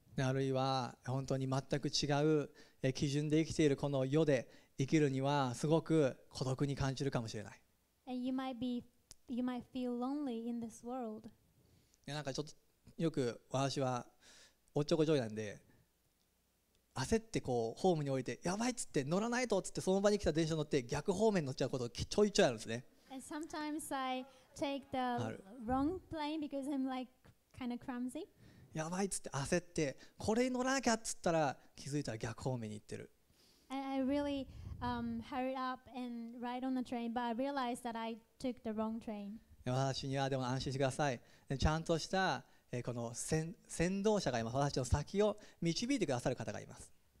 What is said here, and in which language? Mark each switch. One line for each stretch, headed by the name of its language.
Japanese: あるいは本当に全く違う基準で生きているこの世で生きるにはすごく孤独に感じるかもしれない。
English: And you might feel lonely in this world.
Japanese: なんかちょっとよく私はおちょこちょいなんで焦ってこうホームに降りてやばいっつって乗らないとっつってその場に来た電車乗って逆方面乗っちゃうことちょいちょいあるんですね。
English: And sometimes I take the wrong plane because I'm like kind of clumsy.
Japanese: やばいっつって焦ってこれに乗らなきゃっつったら気づいたら逆方面に行ってる。
English: And I really hurried up and ride on the train but I realized that I took the wrong train.
Japanese: 私にはでも安心してください。ちゃんとしたこの先導者が今私の先を導いてくださる方がいます。